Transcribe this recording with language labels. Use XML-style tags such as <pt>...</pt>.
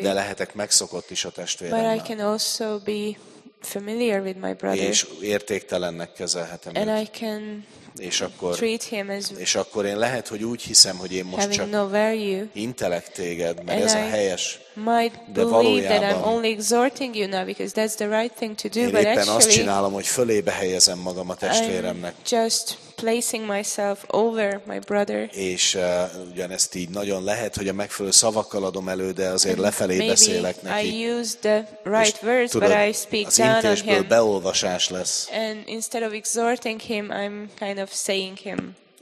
<hu>De lehetek megszokott is a testvéremmel.</hu> <en>But I can also be familiar with my brother.</en> <hu>És értéktelennek kezelhetem</hu> <en>and</en> <hu>őt.</hu> <en>I can</en> <hu>és akkor,</hu> <en>treat him as,</en> <hu>és akkor én lehet, hogy úgy hiszem, hogy én most csak</hu> <en>no value,</en> <hu>intelek téged, mert ez a helyes.</hu> <en>Might believe that I'm only exhorting you now because that's the right thing to do, but actually</en> <hu>azt csinálom, hogy fölébe helyezem magam a testvéremnek.</hu> <en>Just placing myself over my brother.</en> <hu>És ugyanezt így nagyon lehet, hogy a megfelelő szavakkal adom elő, de azért lefelé beszélek neki.</hu> <en>I use the right words, but I speak down on him.</en> <hu>Beolvasás lesz.</hu> <en>And instead of exhorting him, I'm kind of saying him.</en>